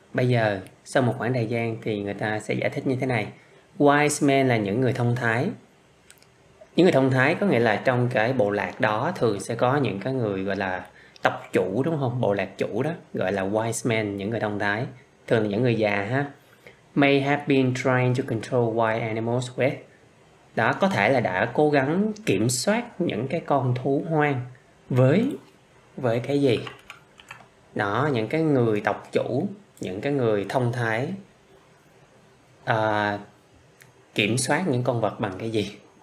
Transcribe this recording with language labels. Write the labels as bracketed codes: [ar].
[vi] Bây giờ, sau một khoảng thời gian thì người ta sẽ giải thích như thế này. Wise men là những người thông thái. Những người thông thái có nghĩa là trong cái bộ lạc đó thường sẽ có những cái người gọi là tộc chủ, đúng không? Bộ lạc chủ đó gọi là wise men, những người thông thái. Thường là những người già ha. [en] May have been trying to control wild animals with. [vi] Đó, có thể là đã cố gắng kiểm soát những cái con thú hoang với cái gì? Đó, những cái người tộc chủ, những cái người thông thái. Kiểm soát những con vật bằng cái gì?